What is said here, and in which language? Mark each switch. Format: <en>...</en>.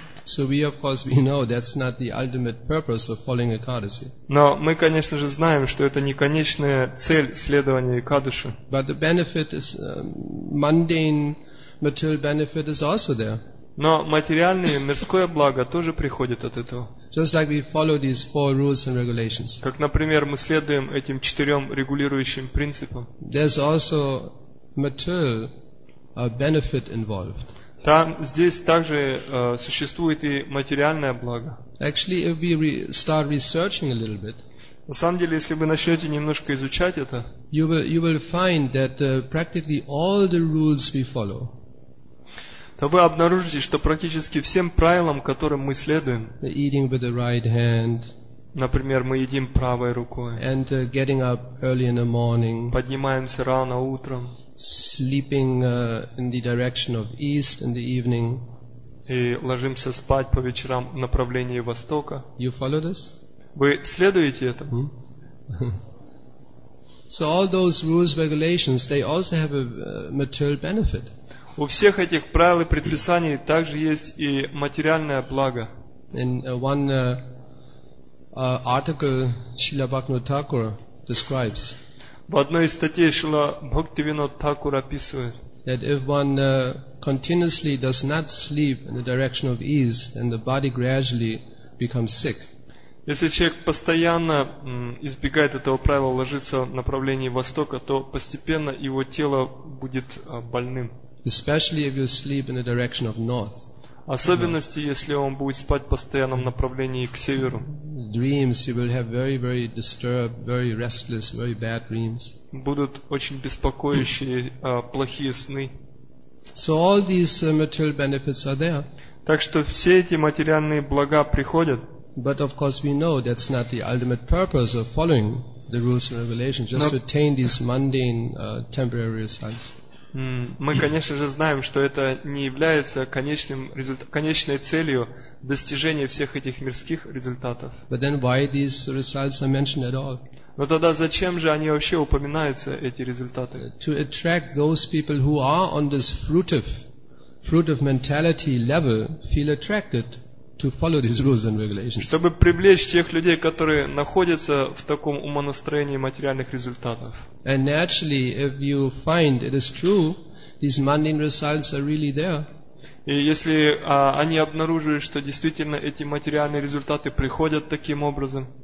<en>So we of course we know that's not the ultimate purpose of following Ekadasi.</en> <ru>Но мы, конечно же, знаем, что это не конечная цель следования Экадаси.</ru> <en>But the benefit is mundane material benefit is also there.</en> <ru>Но материальное, мирское благо тоже приходит от этого.</ru> <en>Just like we follow these four rules and regulations.</en> <ru>Как, например, мы следуем этим четырем регулирующим принципам.</ru> <en>There's also material benefit involved.</en> <ru>Там, здесь также существует и материальное благо.</ru> <en>Actually, if we start researching a little bit,</en> <ru>на самом деле, если вы начнете немножко изучать это,</ru> <en>you will find that practically all the rules we follow,</en> <ru>то вы обнаружите, что практически всем правилам, которым мы следуем,</ru> <en>eating with the right hand,</en> <ru>например, мы едим правой рукой,</ru> <en>and getting up early in the morning,</en> <ru>поднимаемся рано утром,</ru> <en>sleeping in the direction of east in the evening,</en> <ru>и ложимся спать по вечерам в направлении востока.</ru> <en>You follow this?</en> <ru>Вы следуете этому?</ru> <en>So all those rules, regulations, they also have a material benefit.</en> <ru>У всех этих правил и предписаний также есть и материальное благо.</ru> <en>In one article Srila Bhaktivinoda Thakur describes.</en> <ru>В одной из статей Шрила Бхактивинода Тхакур описывает.</ru> <en>That if one continuously does not sleep in the direction of ease, then the body gradually becomes sick.</en> <ru>Если человек постоянно избегает этого правила ложиться в направлении востока, то постепенно его тело будет больным.</ru> <en>Especially if you sleep in the direction of north.</en> <ru>Особенности, если он будет спать в постоянном направлении к северу.</ru> <en>Dreams, you will have very, very disturbed, very restless, very bad dreams.</en> <ru>Будут очень беспокоящие, плохие сны.</ru> <en>So all these material benefits are there.</en> <ru>Так что все эти материальные блага приходят.</ru> <en>But of course we know that's not the ultimate purpose of following the rules and regulations, just to attain these mundane, temporary results.</en> <ru>Мы, конечно же, знаем, что это не является конечной целью достижения всех этих мирских результатов.</ru> <en>But then why these results are mentioned at all?</en> <ru>Но тогда зачем же они вообще упоминаются, эти результаты?</ru> <en>To attract those people who are on this fruitive mentality level, feel attracted to follow these rules and regulations.</en> <ru>Чтобы привлечь тех людей, которые находятся в таком умонастроении материальных результатов.</ru> <en>And naturally, if you find it is true, these mundane results are really there.</en> <ru>И если они обнаружили, что действительно эти материальные результаты приходят таким образом,</ru>